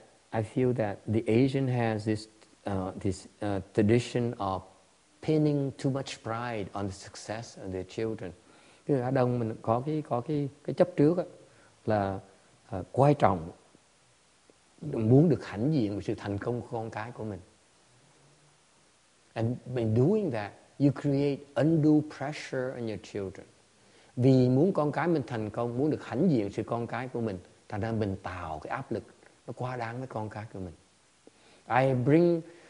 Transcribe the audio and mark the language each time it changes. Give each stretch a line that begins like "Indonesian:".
English: I feel that the Asian has this tradition of pinning too much pride on the success of their children.
Vietnamese: Người Á Đông mình có cái chấp trước là quan trọng muốn được hãnh diện về sự thành công của con cái của mình.
English: And by doing that, you create undue pressure on your children.
Vietnamese: Vì muốn con cái mình thành công, muốn được hãnh diện sự con cái của mình, thành ra mình tạo cái áp lực nó quá đáng với con cái của mình.